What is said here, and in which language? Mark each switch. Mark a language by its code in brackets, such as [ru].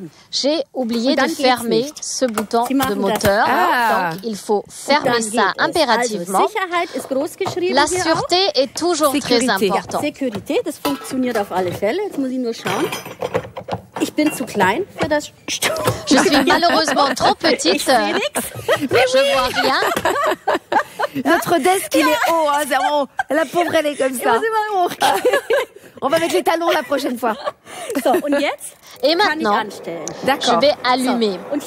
[fr] J'ai oublié de fermer ce bouton de moteur. Donc, il faut fermer ça impérativement. La sûreté est toujours très importante. Sécurité, ça fonctionne à tous les cas. Maintenant, je vais juste [de] Ich bin zu klein für das [fr] Je suis malheureusement trop petite. Je vois rien. Notre desk, il est haut. Hein, c'est vraiment... La pauvre, elle est comme ça. On va mettre les talons la prochaine fois. Et maintenant, je vais allumer.